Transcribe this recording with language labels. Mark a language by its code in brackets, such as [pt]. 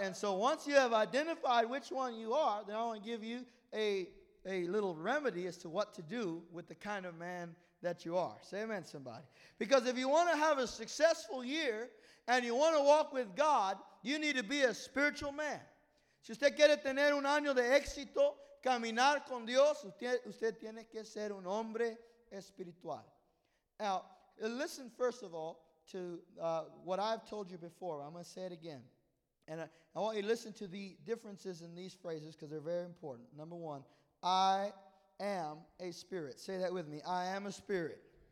[en] And so once you have identified which one you are, then I want to give you a little remedy as to what to do with the kind of man that you are. Say amen, somebody. Because if you want to have a successful year and you want to walk with God, you need to be a spiritual man. [es] Si usted quiere tener un año de éxito, caminar con Dios, usted tiene que ser un hombre espiritual. [en] Now, listen first of all to what I've told you before. I'm going to say it again. And I want you to listen to the differences in these phrases because they're very important. Number one, I am a spirit. Say that with me. I am a spirit.